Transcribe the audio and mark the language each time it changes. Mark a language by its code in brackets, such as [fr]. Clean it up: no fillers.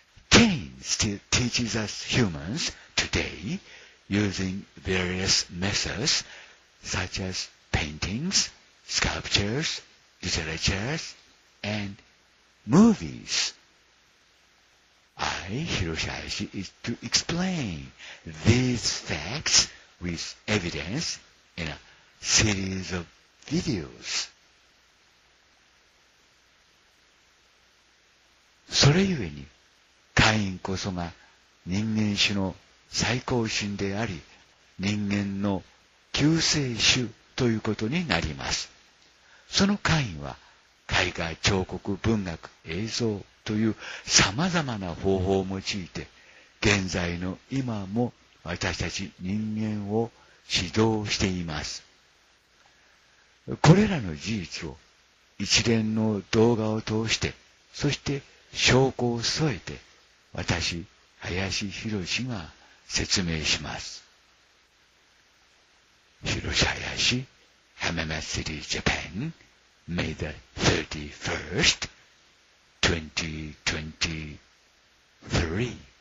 [en] Cain still teaches us humansToday, using various methods such as paintings, sculptures, literatures, and movies, I, Hiroshi Hayashi, is to explain these facts with evidence in a series of videos. [ja] それゆえに、カインこそが人間種の最高神であり、人間の救世主ということになります。そのカインは、絵画、彫刻、文学、映像という様々な方法を用いて、現在の今も私たち人間を指導しています。これらの事実を一連の動画を通して、そして証拠を添えて、私、林博士が、説明します。 [en] Hiroshi Hayashi, Hamamatsuri, Japan, May the 31st, 2023.